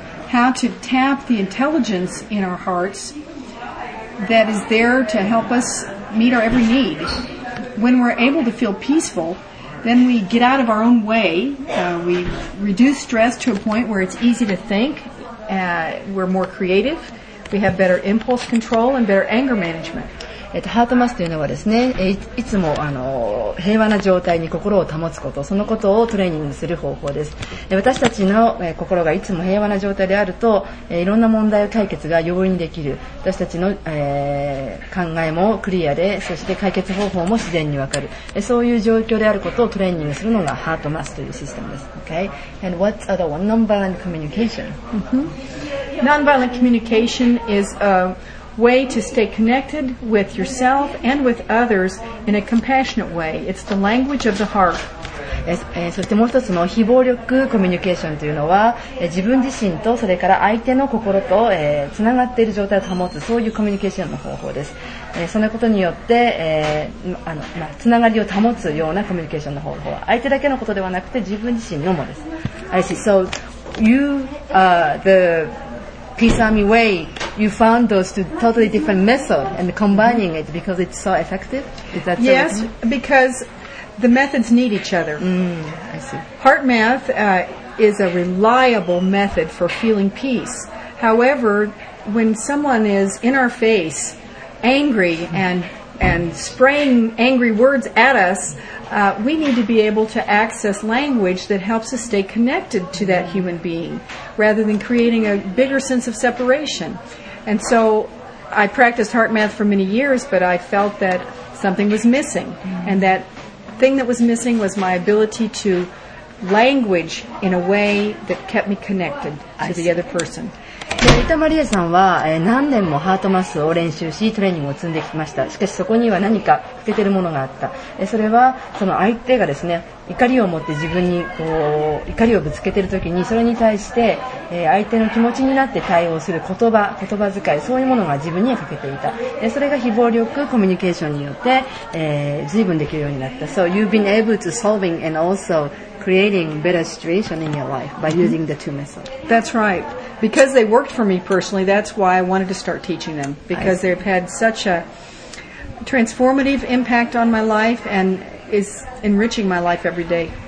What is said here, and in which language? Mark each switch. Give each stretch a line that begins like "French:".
English: How to tap the intelligence in our hearts that is there to help us meet our every need. When we're able to feel peaceful, then we get out of our own way. We reduce stress to a point where it's easy to think. We're more creative. We have better impulse control and better anger management.
Japanese: ハートマスというのはですね、いつも平和な状態に心を保つこと、そのことをトレーニングする方法です。私たちの心がいつも平和な状態であると、いろんな問題を解決が容易にできる。私たちの考えもクリアで、そして解決方法も自然にわかる。そういう状況であることをトレーニングするのがハートマスというシステムです。
English: Okay. And what's other one? Nonviolent communication. Nonviolent communication is away to stay connected with yourself and with others in a compassionate way. It's the language of the heart.
Japanese: そしてもう一つの非暴力コミュニケーションというのは、自分自身とそれから相手の心とつながっている状態を保つ、そういうコミュニケーションの方法です。そのことによって、つながりを保つようなコミュニケーションの方法は、相手だけのことではなくて自分自身のもです。
English: I see. So you are the Peace Army Way. You found those two totally different methods and combining it because it's so effective? Is that yes, so because the methods need each other. I see. Heart math is a reliable method for feeling peace. However, when someone is in our face, angry and spraying angry words at us, we need to be able to access language that helps us stay connected to that human being rather than creating a bigger sense of separation. And so I practiced heart math for many years, but I felt that something was missing. And that thing that was missing was my ability to language in a way that kept me connected to the other person.
Japanese: リタ・マリアさんは何年もハートマスを練習しトレーニングを積んできました。しかしそこには何か欠けているものがあった。それはその相手がですね、怒りを持って自分にこう怒りをぶつけているときに、それに対して相手の気持ちになって対応する言葉遣い、そういうものが自分には欠けていた。それが非暴力コミュニケーションによって、随分できるようになった。
English: So you've been able to solving and also creating better situation in your life by using the two methods. That's rightBecause they worked for me personally, that's why I wanted to start teaching them. Because they've had such a transformative impact on my life and is enriching my life every day.